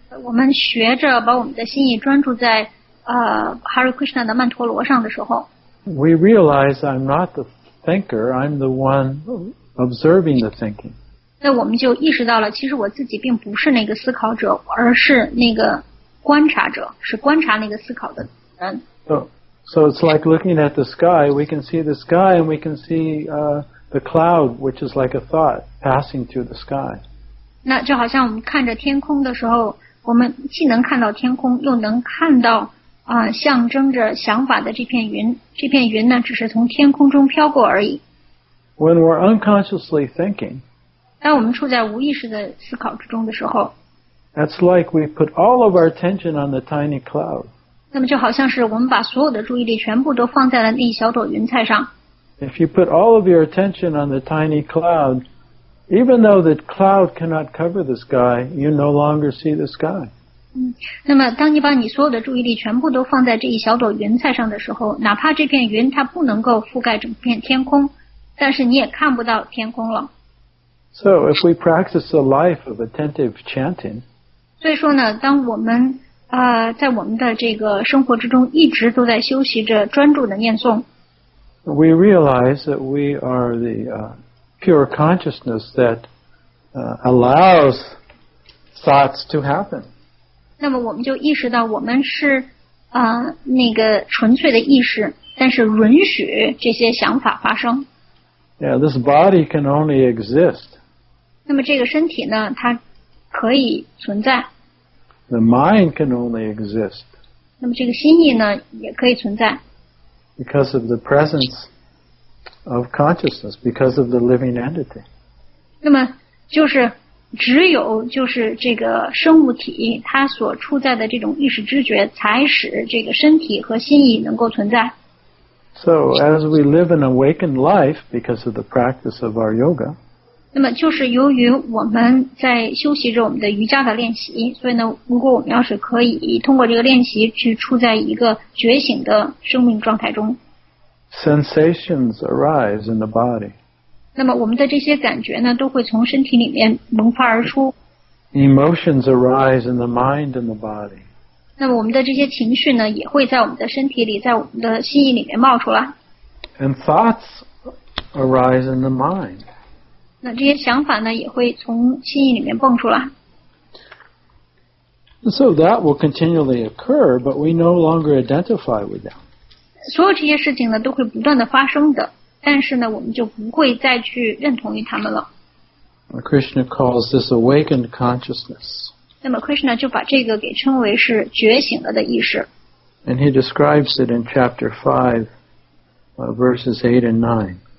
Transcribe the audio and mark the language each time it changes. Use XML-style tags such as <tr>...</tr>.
<zh>我们学着把我们的心意专注在Hare Krishna 的曼陀罗上的时候</zh> <en>，we realize I'm not the thinker， I'm the one observing the thinking。</en> <zh>那我们就意识到了，其实我自己并不是那个思考者，而是那个观察者，是观察那个思考的。</zh> <en>So it's like looking at the sky. We can see the sky, and we can see the cloud, which is like a thought passing through the sky.</en> <zh>那就好像我们看着天空的时候，我们既能看到天空，又能看到象征着想法的这片云。这片云呢，只是从天空中飘过而已。</zh> <en>When we're unconsciously thinking,</en> <zh>当我们处在无意识的思考之中的时候</zh> <en>，That's like we put all of our attention on the tiny cloud.</en> <zh>那么就好像是我们把所有的注意力全部都放在了那小朵云彩上。</zh> <en>If you put all of your attention on the tiny cloud, even though the cloud cannot cover the sky, you no longer see the sky.</en> <zh>那么当你把你所有的注意力全部都放在这一小朵云彩上的时候，哪怕这片云它不能够覆盖整片天空，但是你也看不到天空了。</zh> <en>So if we practice a life of attentive chanting,</en> <zh>所以说呢，当我们在我们的这个生活之中一直都在修习着专注的念诵，</zh> <en>we realize that we are the pure consciousness that allows thoughts to happen.</en> <zh>那么我们就意识到我们是那个纯粹的意识，但是允许这些想法发生。</zh> <en>Yeah, this body can only exist.</en> <zh>那么这个身体呢，它可以存在。</zh> <en>The mind can only exist.</en> <zh>那么这个心意呢，也可以存在。</zh> <en>Because of the presence of consciousness, because of the living entity.</en> <zh>那么就是只有就是这个生物体它所处在的这种意识知觉，才使这个身体和心意能够存在。</zh> <en>So as we live an awakened life because of the practice of our yoga,</en> <zh>那么就是由于我们在修习着我们的瑜伽的练习，所以呢，如果我们要是可以通过这个练习去处在一个觉醒的生命状态中，</zh> <en>sensations arise in the body.</en> <zh>那么我们的这些感觉呢，都会从身体里面萌发而出。</zh> <en>Emotions arise in the mind and the body.</en> <zh>那么我们的这些情绪呢，也会在我们的身体里，在我们的心意里面冒出来。</zh> <en>And thoughts arise in the mind.</en> <zh>那这些想法呢，也会从心意里面蹦出来。</zh> <en>So that will continually occur, but we no longer identify with them.</en> <zh>所有这些事情呢，都会不断的发生的，但是呢，我们就不会再去认同于他们了。</zh> <en>Krishna calls this awakened consciousness.</en> <zh>那么 Krishna 就把这个给称为是觉醒了的意识。</zh> <en>And he describes it in chapter 5, verses 8 and 9.</en>